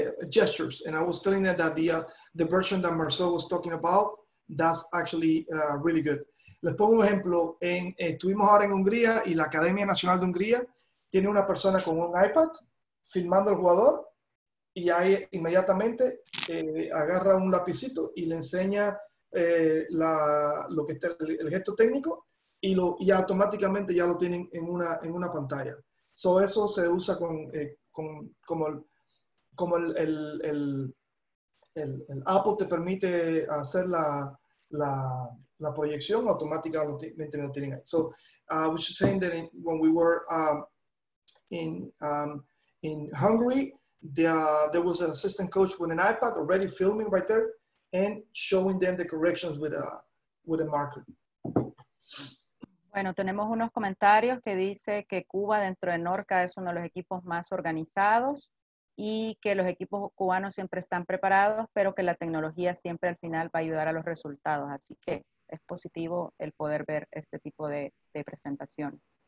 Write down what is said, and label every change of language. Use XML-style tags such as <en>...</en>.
<en>Gestures, and I was telling them that the version that Marcel was talking about, that's actually really good.</en> <es>Les pongo un ejemplo, estuvimos ahora en Hungría y la Academia Nacional de Hungría tiene una persona con un iPad filmando al jugador y ahí inmediatamente agarra un lapicito y le enseña el gesto técnico y automáticamente ya lo tienen en una pantalla. So eso se usa como el Apple te permite hacer la proyección automáticamente, no tienen ahí.</es> <en>So I was just saying that when we were in Hungary, there was an assistant coach with an iPad already filming right there and showing them the corrections with a marker.</en> <es>Bueno, tenemos unos comentarios que dice que Cuba dentro de NORCA es uno de los equipos más organizados y que los equipos cubanos siempre están preparados, pero que la tecnología siempre al final va a ayudar a los resultados. Así que es positivo el poder ver este tipo de presentación.</es>